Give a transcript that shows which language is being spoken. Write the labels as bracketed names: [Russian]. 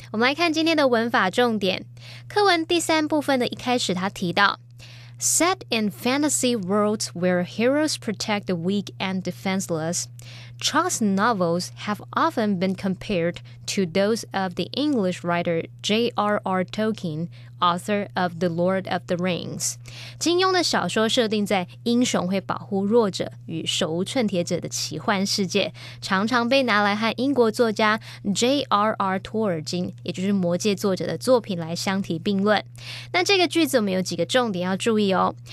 [Chinese] 我们来看今天的文法重点。课文第三部分的一开始，他提到 [English] Set in fantasy worlds where heroes protect the weak and defenseless, Cha's novels have often been compared to those of the English writer J.R.R. Tolkien, author of The Lord of the Rings. [Chinese] 金庸的小说设定在英雄会保护弱者与手无寸铁者的奇幻世界，常常被拿来和英国作家 J.R.R. 托尔金，也就是魔戒作者的作品来相提并论。那这个句子我们有几个重点要注意哦。